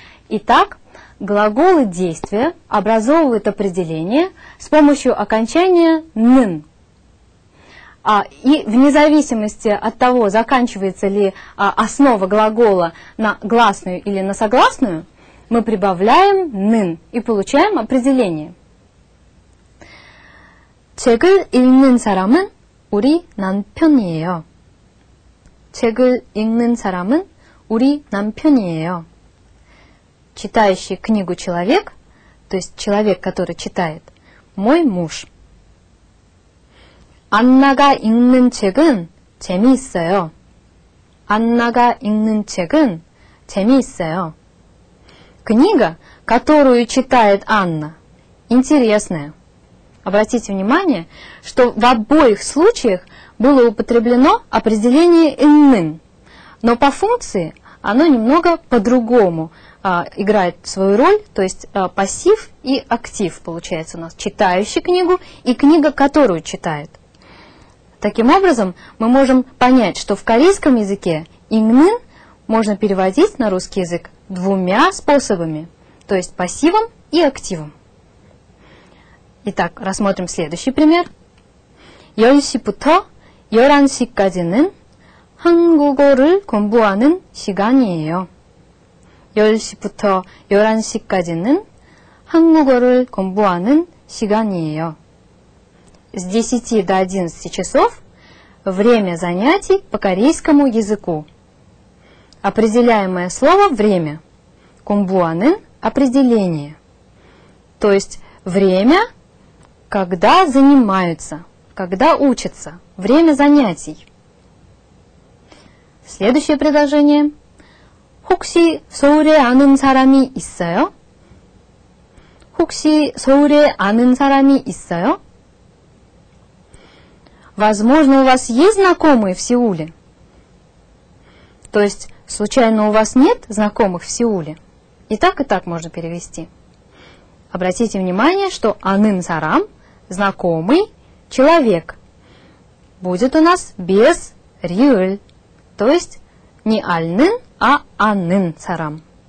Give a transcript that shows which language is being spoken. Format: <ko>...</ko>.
<ru>Итак, глаголы действия образовывают определение с помощью окончания «н». И вне зависимости от того, заканчивается ли основа глагола на гласную или на согласную, мы прибавляем «н» и получаем определение.</ru> <ko>책을 읽는 사람은 우리 남편이에요. 책을읽는사람은우리남편이에요.</ko> <ru>Читающий книгу человек, то есть человек, который читает, мой муж.</ru> <ko>안나가읽는책은재미있어요. 안나가읽는책은재미있어요.</ko> <ru>Книга, которую читает Анна, интересная. Обратите внимание, что в обоих случаях было употреблено определение «иннын», но по функции оно немного по-другому играет свою роль, то есть пассив и актив получается у нас, читающий книгу и книга, которую читает. Таким образом, мы можем понять, что в корейском языке «иннын» можно переводить на русский язык двумя способами, то есть пассивом и активом. Итак, рассмотрим следующий пример.</ru> <ko>10시부터 11시까지는 한국어를 공부하는 시간이에요. 10시부터 11시까지는 한국어를 공부하는 시간이에요.</ko> <ru>С 10 до 11 часов время занятий по корейскому языку. Определяемое слово «время». 공부하는 определение. То есть время, когда занимаются, когда учатся. Время занятий. Следующее предложение.</ru> <ko>혹시 서울에 아는 사람이 있어요? 혹시 서울에 아는 사람이 있어요?</ko> <ru>Возможно, у вас есть знакомые в Сеуле? То есть, случайно у вас нет знакомых в Сеуле? И так можно перевести. Обратите внимание, что анын сарам, знакомый человек, будет у нас без риэль, то есть не альнын, а анын сарам.</ru>